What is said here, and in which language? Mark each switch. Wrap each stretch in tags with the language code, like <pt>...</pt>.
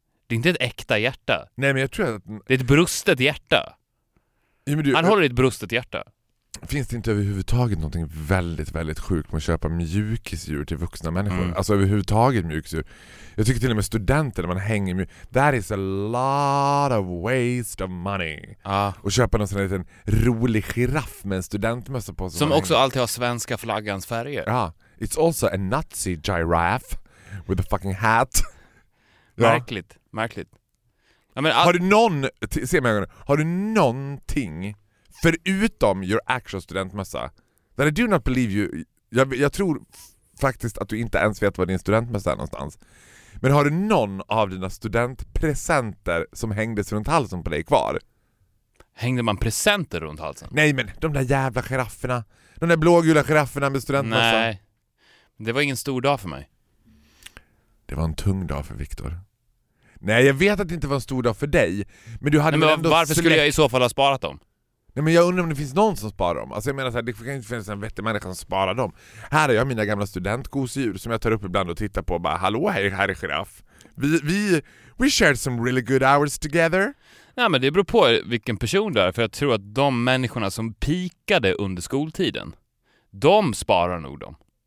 <sv>Det är inte ett äkta hjärta. Nej, men jag tror att... Det är ett brustet hjärta. Ja, men du, han håller ett brustet hjärta. Finns det inte överhuvudtaget någonting väldigt, väldigt sjukt med att köpa mjukisdjur till vuxna människor? Mm. Alltså överhuvudtaget mjukisdjur. Jag tycker till och med studenter när man hänger med...</sv> <en>That is a lot of waste of money.</en> <sv>Och köpa någon sån här liten rolig giraff med en studentmössa på sig. Som också alltid har svenska flaggans färger. Ja.</sv> <en>It's also a Nazi giraffe with a fucking hat.</en> <sv>Ja. Märkligt, märkligt. Ja, men har du någon, se mig igen, har du någonting förutom</sv> <en>your actual</en> <sv>studentmössa</sv> <en>that I do not believe you,</en> <sv>jag tror faktiskt att du inte ens vet vad din studentmössa är någonstans, men har du någon av dina studentpresenter som hängdes runt halsen på dig kvar? Hängde man presenter runt halsen? Nej, men de där jävla girafferna, de där blågula girafferna med studentmössa. Nej, det var ingen stor dag för mig. Det var en tung dag för Viktor. Nej, jag vet att det inte var en stor dag för dig. Men du hade varför skulle jag i så fall ha sparat dem? Nej, men jag undrar om det finns någon som sparar dem. Alltså jag menar så här, det kan inte finnas en vettig människa som sparar dem. Här har jag mina gamla studentgosedjur som jag tar upp ibland och tittar på. Och bara, hallå, hej, här är giraff.</sv> <en>We shared some really good hours together.</en> <sv>Nej, men det beror på vilken person du är. För jag tror att de människorna som pikade under skoltiden, de sparar nog dem.</sv>